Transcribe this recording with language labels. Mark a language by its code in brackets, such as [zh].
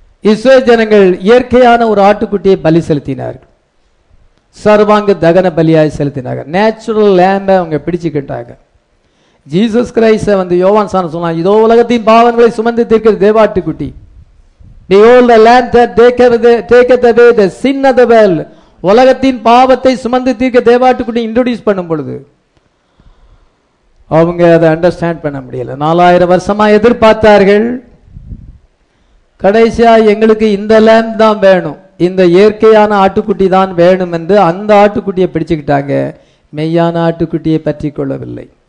[ta] Israel ஜனங்கள் இயற்கையான ஒரு ஆட்டுக்குட்டியை பலி செலுத்தினார்கள். சர்வாங்க தகன பலியாக செலுத்தினார்கள். நேச்சுரல் லேம்பை அவங்க பிடிச்சுக்கிட்டாங்க. ஜீசஸ் கிரைஸ்ட வந்து யோவான் சாணம் சொன்னால், இதோ உலகத்தின் பாவங்களை சுமந்து தீர்க்கிற தேவாட்டுக்குட்டி. [en] Behold the lamb that taketh away the sin of the world. [ta] உலகத்தின் பாவத்தை சுமந்து தீர்க்க தேவாட்டுக்குடி இன்ட்ரோடியூஸ் பண்ணும் பொழுது அவங்க அதை அண்டர்ஸ்டாண்ட் பண்ண முடியல. 4,000 வருஷமா எதிர்பார்த்தார்கள். கடைசியா எங்களுக்கு இந்த லேம் தான் வேணும், இந்த இயற்கையான ஆட்டுக்குட்டி தான் வேணும் என்று அந்த ஆட்டுக்குட்டியை பிடிச்சுக்கிட்டாங்க. மெய்யான ஆட்டுக்குட்டியை பற்றி கொள்ளவில்லை.